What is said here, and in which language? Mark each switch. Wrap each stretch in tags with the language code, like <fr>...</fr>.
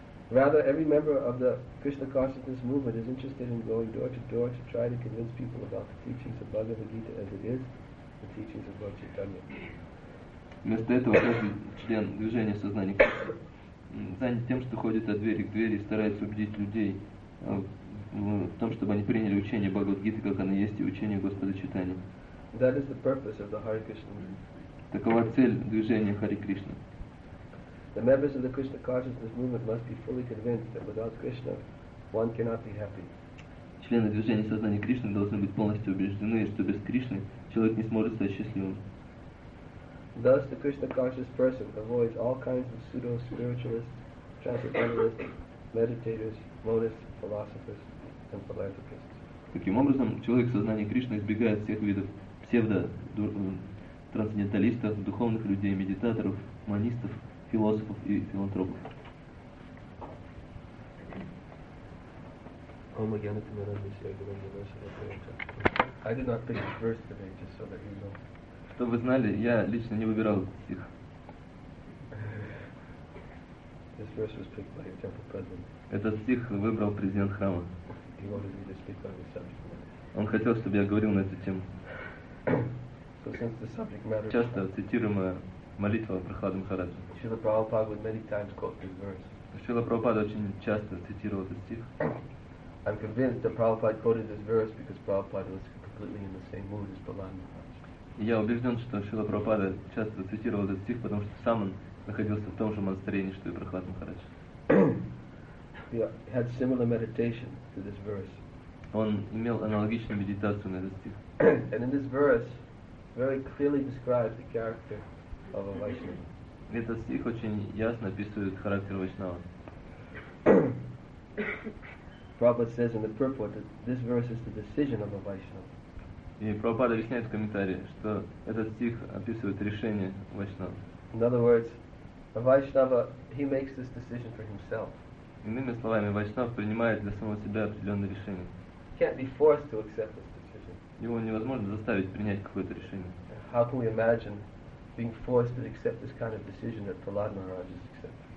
<en>Rather, every member of the Krishna consciousness movement is interested in going door to door to try to convince people about the teachings of Bhagavad Gita as it is, the teachings of Lord Chaitanya.</en> <ru>Вместо этого каждый член движения сознания занят тем, что ходит от двери к двери и старается убедить людей в том, чтобы они приняли учение Бхагавад-гиты, как оно есть, и учение Господа Чайтаньи.</ru> <en>That is the purpose of the Hare Krishna movement.</en> <ru>Такова цель движения Хари Кришна.</ru> <en>The members of the Krishna consciousness movement must be fully convinced that without Krishna, one cannot be happy.</en> <ru>Члены движения сознания Кришны должны быть полностью убеждены, что без Кришны человек не сможет стать счастливым.</ru> <en>Thus, the Krishna-conscious person avoids all kinds of pseudo-spiritualists, transcendentalists, meditators, monists, philosophers, and philanthropists.</en> <ru>Таким образом, человек сознания Кришны избегает всех видов псевдо-трансценденталистов, духовных людей, медитаторов, монистов, философов и филантропов.</ru> <en>I did not pick the verse today, just so that you know.</en> <ru>Чтобы вы знали, я лично не выбирал этот стих.</ru> <en>This verse was picked by a temple president.</en> <ru>Этот стих выбрал президент храма.</ru> <en>He wanted me to speak on this subject.</en> <ru>Он хотел, чтобы я говорил на эту тему.</ru> <en>So since the subject matter</en> <ru>часто цитируемая молитва Прохлады Махараджи.</ru> <en>Шрила Прабхупада would many times quote this verse.</en> <ru>Шрила Прабхупада очень часто цитировал этот стих.</ru> <en>I'm convinced that Prabhupada quoted this verse because Prabhupada was completely in the same mood as Prahlad.</en> <ru>Я убежден, что Шрила Прабхупада часто цитировал этот стих, потому что сам он находился в том же монастырении, что и Прохлад Махарадж.</ru> <en>Had similar meditation to this verse.</en> <ru>Он имел аналогичную медитацию на этот стих.</ru> <en>And in this verse, very clearly describes the character of a Vaishnava.</en> <ru>Этот стих очень ясно описывает характер Вайшнава.</ru> <en>Prabhupada says in the purport that this verse is the decision of a Vaishnava.</en> <ru>И Прабхупада объясняет в комментарии, что этот стих описывает решение Вайшнава.</ru> <en>In other words, a Vaishnava, he makes this decision for himself.</en> <ru>Иными словами, Вайшнав принимает для самого себя определенное решение.</ru> <en>He can't be forced to accept this decision.</en> <ru>Его невозможно заставить принять какое-то решение.</ru> <en>How can we imagine being forced to accept this kind of decision that Prahlad Maharaj is accepting?</en>